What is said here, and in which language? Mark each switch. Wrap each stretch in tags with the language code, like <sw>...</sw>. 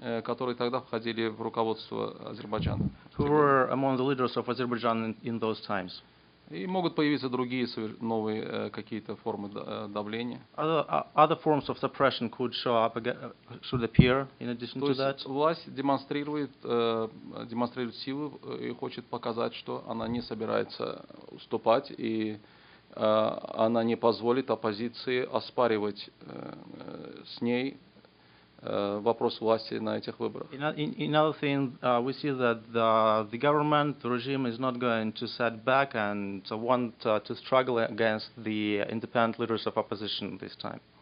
<ru>Которые тогда входили в руководство Азербайджана.</ru> <en>Who were among the leaders of Azerbaijan in those times?</en> <ru>И могут появиться другие новые какие-то формы давления.</ru> <en>Other forms of suppression could show up again, should appear in addition to that.</en> <ru>То есть власть демонстрирует силу и хочет показать, что она не собирается уступать и она не позволит оппозиции оспаривать с ней вопрос власти на этих выборах.</ru> <en>In another thing, we see that the government, the regime is not going to set back and want to struggle against the independent leaders of opposition this time.</en>